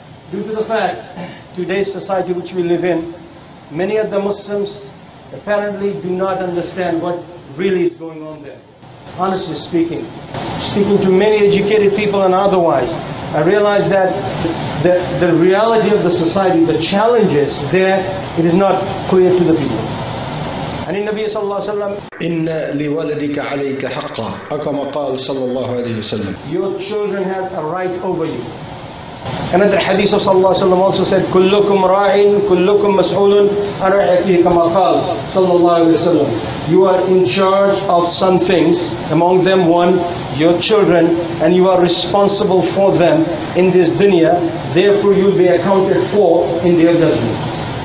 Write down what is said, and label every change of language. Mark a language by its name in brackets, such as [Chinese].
[English] Due to the fact, today's society which we live in, many of the Muslims apparently do not understand what really is going on there. Honestly speaking to many educated people and otherwise, I realize that the reality of the society, the challenges there, it is not clear to the people. [Arabic] عن النبي صلى الله عليه وسلم إن لولدك عليك حقا كما قال صلى الله عليه وسلم [English] Your children have a right over you. Another hadith of صلى الله عليه وسلم also said [Arabic] كلكم راع كلكم مسؤول عن رعيته كما قال صلى الله عليه وسلم [English] You are in charge of some things among them one your children and you are responsible for them in this dunya therefore you'll be accounted for in the judgment.